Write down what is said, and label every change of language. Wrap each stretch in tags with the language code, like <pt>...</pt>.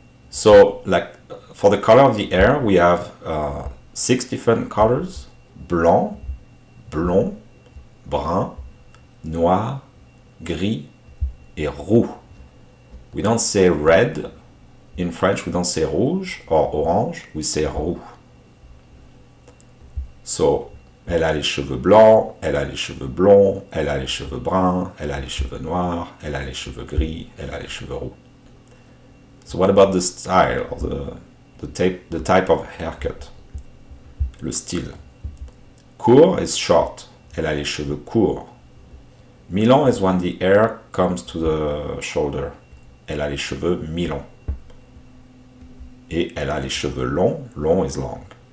<en>So, like for the color of the hair, we have 6 different colors.</en> <fr>Blanc, blond, brun, noir, gris et roux.</fr> <en>We don't say red in French, we don't say rouge or orange, we say roux.</en> <fr>So, elle a les cheveux blancs, elle a les cheveux blonds, elle a les cheveux bruns, elle a les cheveux noirs, elle a les cheveux gris, elle a les cheveux roux.</fr> <en>So what about the style or the type of haircut?</en> <fr>Le style.</fr> <en>Court is short.</en> <fr>Elle a les cheveux courts.</fr> <en>Mi-long is when the hair comes to the shoulder.</en> <fr>Elle a les cheveux mi-longs. Et elle a les cheveux longs.</fr> <en>Long is long.</en>